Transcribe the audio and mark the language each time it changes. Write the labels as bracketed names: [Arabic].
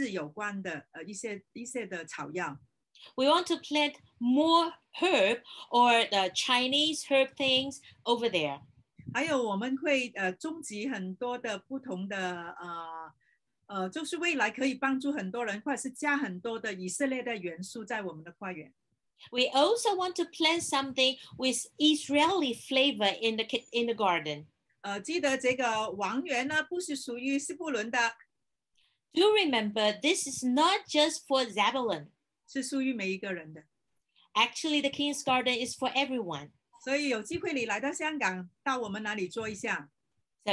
[Chinese] 我们要发展跟中药有关的，跟医治有关的一些的草药。 [English] We want to plant more herb or the Chinese herb things over there. [Chinese] 还有我们会种植很多的不同的，就是未来可以帮助很多人，或者是加很多的以色列的元素在我们的花园。 [English] We also want to plant something with Israeli flavor in the garden. [Chinese] 记得这个王园呢，不是属于西布伦的。 [English] Do remember, this is not just for Zebulun. [Chinese] 是属于每一个人的。 [English] Actually, the King's Garden is for everyone. [Chinese] 所以有机会你来到香港，到我们那里坐一下。 [English] So